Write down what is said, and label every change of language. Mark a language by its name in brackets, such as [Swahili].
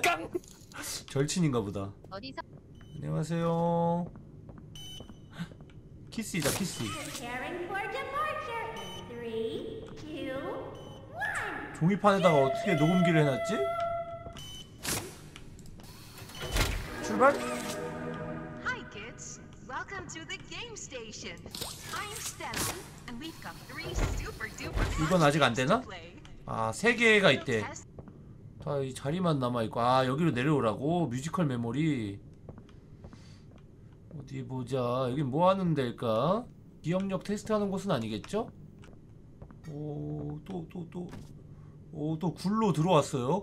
[Korean] 깡! 절친인가 보다. 어디서? 안녕하세요. 키스이다 키스. 종이판에다가 어떻게 녹음기를 해놨지? 출발. [English] Hi kids, welcome to the game station. I'm Stella, and we've got three super duper. [Korean] 이건 아직 안 되나? 아, 세 개가 있대. 다 이 자리만 남아 있고, 아 여기로 내려오라고. 뮤지컬 메모리. 어디 보자. 여기 뭐 하는 데일까? 기억력 테스트하는 곳은 아니겠죠? 오, 또. 오, 또 굴로 들어왔어요.